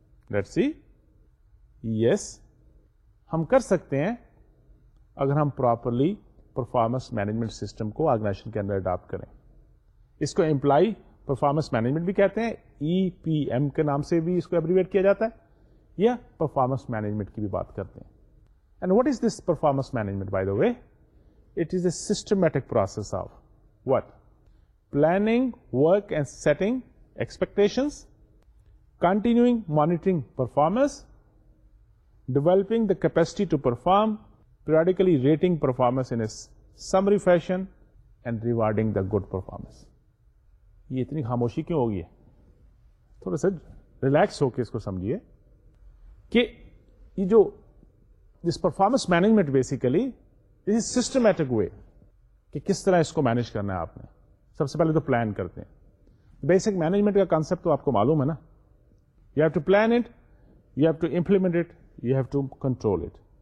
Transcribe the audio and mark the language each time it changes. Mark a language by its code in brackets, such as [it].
[en] let's see, yes [ur] ہم کر سکتے ہیں اگر ہم پراپرلی پرفارمنس مینجمنٹ سسٹم کو آرگنائزیشن کے اندر اڈاپٹ کریں. اس کو امپلائی پرفارمنس مینجمنٹ بھی کہتے ہیں, ای پی ایم کے نام سے بھی اس کو ایبریویٹ کیا جاتا ہے, یا پرفارمنس مینجمنٹ کی بھی بات کرتے ہیں. [en] And what is this performance management by the way, it is a systematic process of what, planning, work and setting expectations, continuing monitoring performance, developing the capacity to perform, periodically rating performance in a summary fashion, and rewarding the good performance. [ur] یہ اتنی خاموشی کیوں ہوگی ہے, تھوڑا سا relax ہو کے اس کو سمجھیے کہ یہ جو this performance management basically [en] this is systematic way [ur] کہ کس طرح اس کو مینیج کرنا ہے آپ نے. سب سے پہلے تو پلان کرتے ہیں. بیسک مینجمنٹ کا کانسیپٹ تو آپ کو معلوم ہے نا, [en] You have to plan it, you have to implement it, you have to control it.